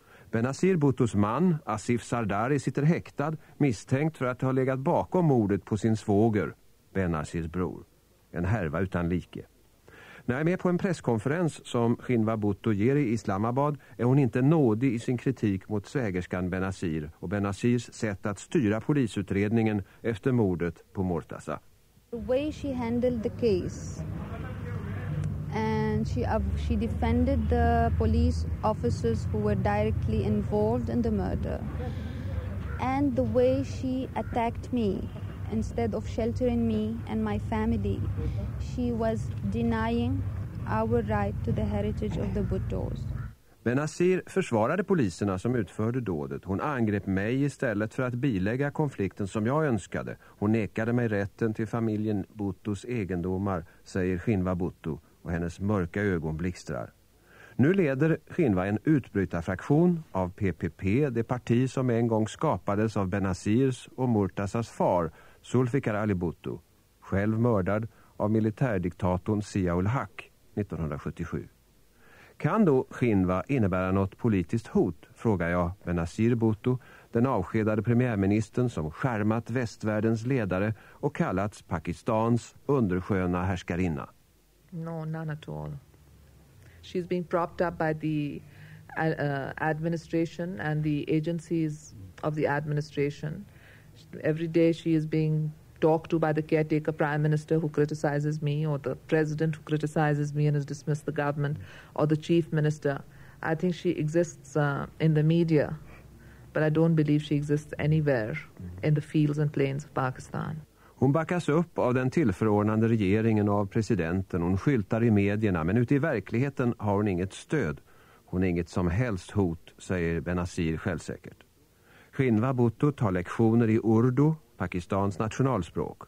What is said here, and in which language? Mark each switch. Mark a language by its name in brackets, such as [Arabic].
[Swedish] Benazir Bhuttos man, Asif Zardari, sitter häktad, misstänkt för att ha legat bakom mordet på sin svåger, Benazirs bror. En härva utan like. När jag är med på en presskonferens som Shinwa Bhutto ger i Islamabad är hon inte nådig i sin kritik mot svägerskan Benazir och Benazirs sätt att styra polisutredningen efter mordet på Murtaza. [English] The way she handled the case and she defended the police officers who were directly involved in the murder and the way she attacked me. Instead of sheltering me and my family, she was denying our right to the heritage of the Bhuttos. [Swedish] Benazir försvarade poliserna som utförde dådet. Hon angrep mig istället för att bilägga konflikten som jag önskade. Hon nekade mig rätten till familjen Bhuttos egendomar, säger Shinwa Bhutto, och hennes mörka ögon blixtrar. Nu leder Shinwa en utbrytarfraktion av PPP, det parti som en gång skapades av Benazirs och Murtazas far, Zulfikar Ali Bhutto, själv mördad av militärdiktatorn Ziaul-Haq 1977. Kan då Xinhua innebära något politiskt hot, frågar jag Benazir Bhutto, den avskedade premiärministern som skärmat västvärldens ledare och kallats Pakistans undersköna härskarinna. [English] No, none at all. She's being propped up by the administration and the agencies of the administration. Every day she is being talked to by the caretaker prime minister who criticizes me, or the president who criticizes me and has dismissed the government, or the chief minister. I think she exists in the media, but I don't believe she exists anywhere in the fields and plains of Pakistan. [Swedish] Hon backas upp av den tillförordnande regeringen och av presidenten. Hon skyltar i medierna, men ute i verkligheten har hon inget stöd. Hon är inget som helst hot, säger Benazir självsäkert. Xinhua Bhutto tar lektioner i urdu, Pakistans nationalspråk.